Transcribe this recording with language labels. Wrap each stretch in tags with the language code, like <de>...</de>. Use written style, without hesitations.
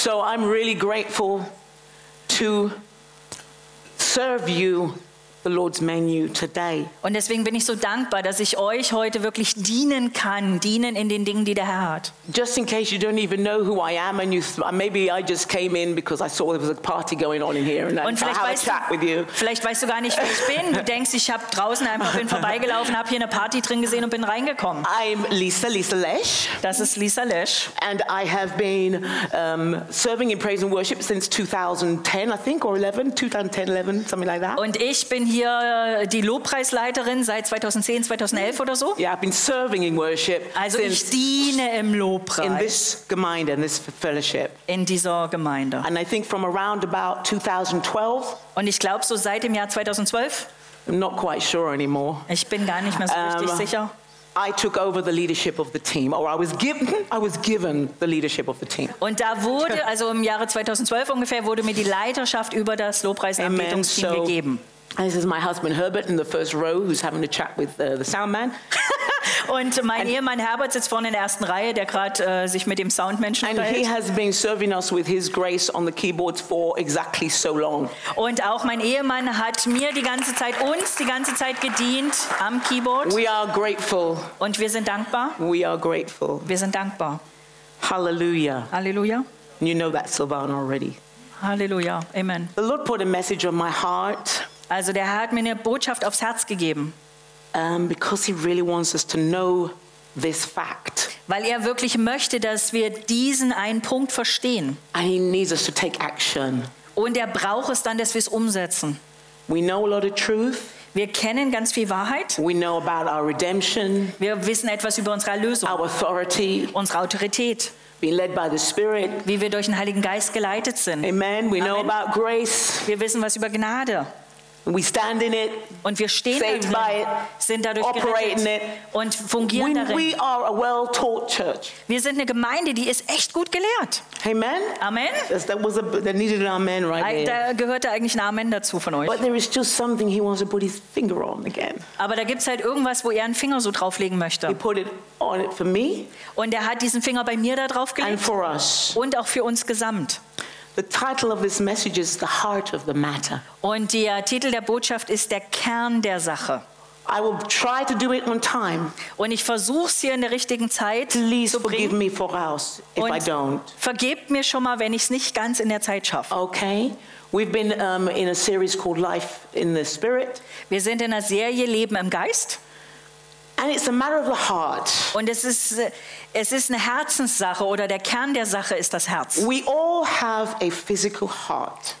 <en>So I'm really grateful to serve you the Lord's menu today.</en> <de>Und deswegen bin ich so dankbar, dass ich euch heute wirklich dienen kann, dienen in den Dingen, die der Herr hat.</de> <en>Just in case you don't even know who I am and you maybe I just came in because I saw there was a party going on in here and then I have a chat with you.</en> <de>Vielleicht weißt du gar nicht, wer ich bin. Du denkst, ich habe draußen einfach bin vorbeigelaufen, habe hier eine Party drin gesehen und bin reingekommen.</de> <en>I'm Lisa Lesch.</en> <de>Das ist Lisa Lesch.</de> <en>And I have been serving in praise and worship since 2010, I think, or 11, 2010, 11, something like that.</en> <de>Und ich bin hier die Lobpreisleiterin seit 2010, 2011 oder so.</de> <en>Yeah, I've been serving in worship.</en> <de>Also ich diene im Lobpreis.</de> <en>In this Gemeinde, in this fellowship.</en> <de>In dieser Gemeinde.</de> <en>And I think from around about 2012.</en> <de>Und ich glaube so seit dem Jahr 2012.</de> <en>I'm not quite sure anymore.</en> <de>Ich bin gar nicht mehr so richtig sicher.</de> <en>I took over the leadership of the team, or I was given the leadership of the team.</en> <de>Und da wurde, also im Jahre 2012 ungefähr, wurde mir die Leiterschaft über das Lobpreisanbetungsteam gegeben.</de> <en>This is my husband Herbert in the first row, who's having a chat with the sound man.</en> <de>Und mein Ehemann Herbert sitzt vorne in der ersten Reihe, der gerade sich mit dem Soundmenschen unterhält.</de> <en>And he has been serving us with his grace on the keyboards for exactly so long.</en> <de>Und auch mein Ehemann hat mir die ganze Zeit uns die ganze Zeit gedient am Keyboard.</de> <en>We are grateful.</en> <de>Und wir sind dankbar.</de> <en>We are grateful.</en> <de>Wir sind dankbar. Hallelujah. Hallelujah.</de> <en>You know that, Silvana, already. Hallelujah. Amen. The Lord put a message on my heart.</en> <de>Also der Herr hat mir eine Botschaft aufs Herz gegeben.</de> <en>Because he really wants us to know this fact.</en> <de>Weil er wirklich möchte, dass wir diesen einen Punkt verstehen.</de> <en>And he needs us to take action.</en> <de>Und er braucht es dann, dass wir es umsetzen.</de> <en>We know a lot of truth.</en> <de>Wir kennen ganz viel Wahrheit.</de> <en>We know about our redemption.</en> <de>Wir wissen etwas über unsere Erlösung.</de> <en>Our authority.</en> <de>Unsere Autorität.</de> <en>Being led by the Spirit.</en> <de>Wie wir durch den Heiligen Geist geleitet sind.</de> <en>Amen. We know about grace.</en> <de>Wir wissen was über Gnade.</de> <en>We stand in it,</en> <de>und wir stehen</de> <en>saved</en> <de>darin,</de> <en>by it,</en> <de>sind dadurch</de> <en>operating it,</en> <de>und fungieren darin.</de> <en>We are a well-taught church.</en> <de>Wir sind eine Gemeinde, die ist echt gut gelehrt. Amen. Amen.</de> <en>That needed an amen right there.</en> <de>Da gehörte eigentlich ein Amen dazu von euch.</de> <en>But there is just something he wants to put his finger on again.</en> <de>Aber da gibt's halt irgendwas, wo er einen Finger so drauflegen möchte.</de> <en>He put it on it for me.</en> <de>Und er hat diesen Finger bei mir da drauf gelegt.</de> <en>And for us.</en> <de>Und auch für uns gesamt.</de> <en>The title of this message is the heart of the matter.</en> <de>Und der Titel der Botschaft ist der Kern der Sache.</de> <en>I will try to do it on time.</en> <de>Und ich versuche es hier in der richtigen Zeit</de> <en>Please</en> <de>zu bringen.</de> <en>Forgive me voraus if</en> <de>Und</de> <en>I don't.</en> <de>Vergebt mir schon mal, wenn ich es nicht ganz in der Zeit schaffe.</de> <en>Okay. We've been in a series called Life in the Spirit.</en> <de>Wir sind in einer Serie Leben im Geist.</de> <en>And it's a matter of the heart.</en> <de>Und es ist eine Herzenssache oder der Kern der Sache ist das Herz.</de> <en>We all have a physical heart.</en>